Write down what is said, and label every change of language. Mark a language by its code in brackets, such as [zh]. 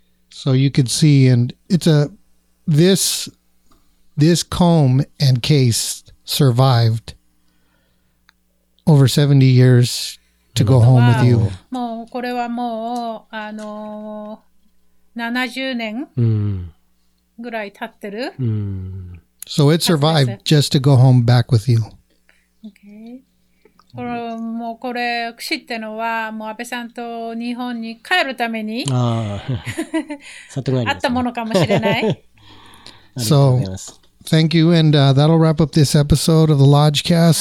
[en] So you could see, and it's this comb and case survived over 70 years to go home with you. [ja] もうこれはもう70年ぐらい経ってる。 [en] So it survived just to go home back with you. Okay. [ja] もうこれ知ってのはもう安倍さんと日本に帰るためにあったものかもしれない。 [en] So, thank you, and that'll wrap up this episode of the Lodgecast.